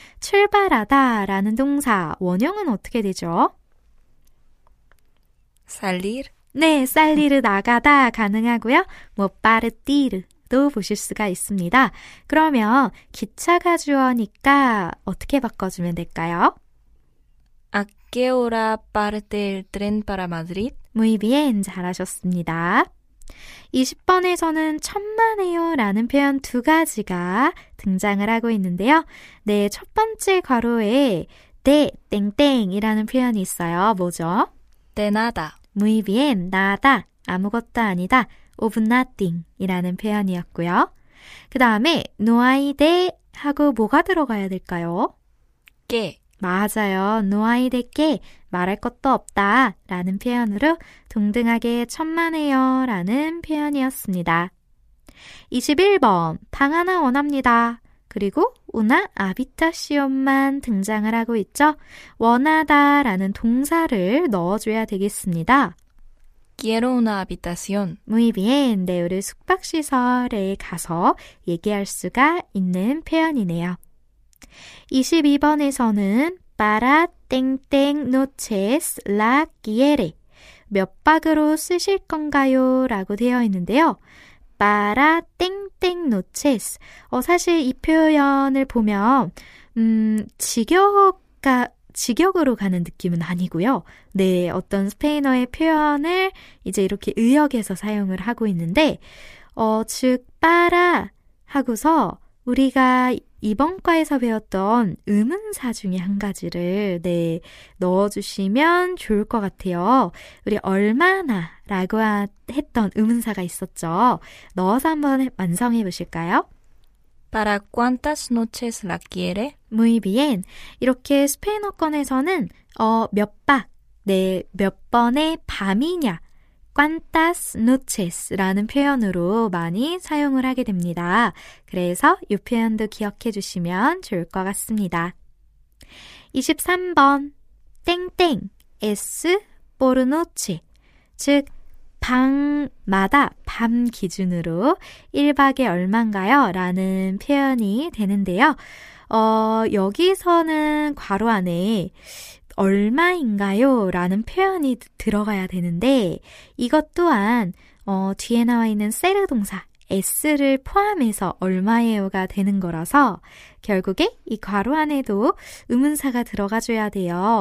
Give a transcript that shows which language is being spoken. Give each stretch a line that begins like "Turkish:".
Korean: 출발하다 라는 동사 원형은 어떻게 되죠?
Spanish: Salir.
Korean: 네, 살리르 나가다 가능하고요. 뭐 빠르띠르도 보실 수가 있습니다. 그러면 기차가 주어니까 어떻게 바꿔주면 될까요?
Spanish: ¿A qué hora parte el tren para Madrid? Muy bien,
Korean: 잘하셨습니다. 20번에서는 천만에요라는 표현 두 가지가 등장을 하고 있는데요. 네, 첫 번째 괄호에 de 땡땡이라는 표현이 있어요. 뭐죠?
Spanish: De nada. Muy bien, nada,
Korean: 아무것도 아니다,
English: of nothing
Korean: 이라는 표현이었고요. 그 다음에 no hay de 하고 뭐가 들어가야 될까요? 게 맞아요.
Spanish: No hay de qué,
Korean: 말할 것도 없다 라는 표현으로 동등하게 천만에요 라는 표현이었습니다. 21번, 방 하나 원합니다. 그리고
Spanish: una habitación
Korean: 만 등장을 하고 있죠. 원하다 라는 동사를 넣어줘야 되겠습니다.
Spanish: Quiero una habitación. Muy bien,
Korean: 네, 우리 숙박시설에 가서 얘기할 수가 있는 표현이네요.
Spanish: 22번에서는 Para땡땡 noches la quiere.
Korean: 몇 박으로 쓰실 건가요? 라고 되어 있는데요.
Spanish: Para 땡땡 noches.
Korean: 사실 이 표현을 보면 직역으로 가는 느낌은 아니고요. 네, 어떤 스페인어의 표현을 이제 이렇게 의역해서 사용을 하고 있는데 즉 para 하고서 우리가 이번 과에서 배웠던 의문사 중에 한 가지를 네, 넣어주시면 좋을 것 같아요. 우리 얼마나라고 했던 의문사가 있었죠. 넣어서 한번 완성해 보실까요?
Spanish: ¿Para cuántas noches la quiere? Muy bien.
Korean: 이렇게 스페인어권에서는 몇 박, 네, 몇 번의 밤이냐?
Spanish: Quantas noches
Korean: 라는 표현으로 많이 사용을 하게 됩니다. 그래서 이 표현도 기억해 주시면 좋을 것 같습니다.
Spanish: 23번, 땡땡, es por noche.
Korean: 즉, 방마다, 밤 기준으로 1박에 얼만가요? 라는 표현이 되는데요. 여기서는 괄호 안에 얼마인가요? 라는 표현이 들어가야 되는데, 이것 또한, 뒤에 나와 있는 세르 동사, s를 포함해서 얼마예요가 되는 거라서, 결국에 이 괄호 안에도 의문사가 들어가줘야 돼요.